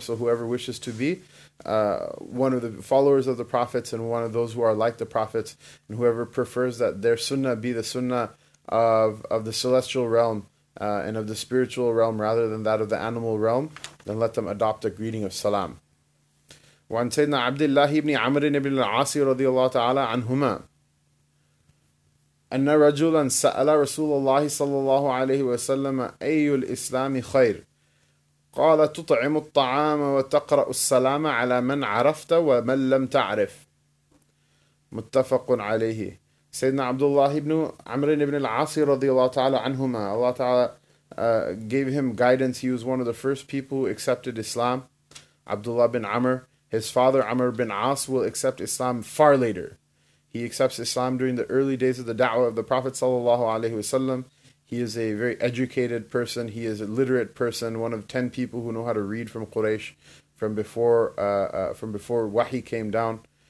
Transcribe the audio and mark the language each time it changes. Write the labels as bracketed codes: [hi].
[en] So whoever wishes to be one of the followers of the Prophets and one of those who are like the Prophets, and whoever prefers that their sunnah be the sunnah of the celestial realm and of the spiritual realm rather than that of the animal realm, then let them adopt a greeting of salam. [ar] وَعَنْ سَيْدْنَا عَبْدِ اللَّهِ بْنِ عَمْرٍ بْنِ الْعَاصِ رَضِيَ اللَّهُ تَعَالَى عَنْهُمَا أن رجلا سأل رسول الله صلى الله عليه وسلم أي الإسلام خير؟ قال تطعم الطعام وتقرأ السلام على من عرفت ومن لم تعرف. متفق عليه. سيدنا عبد الله بن عمرو بن العاص رضي الله تعالى عنهما. [en] Allah Ta'ala gave him guidance. He was one of the first people who accepted Islam. Abdullah bin Amr, his father Amr bin As, will accept Islam far later. He accepts Islam during the early days of the da'wah of the Prophet sallallahu alaihi wasallam. He is a very educated person. He is a literate person, one of 10 people who know how to read from Quraysh, from before wahi came down.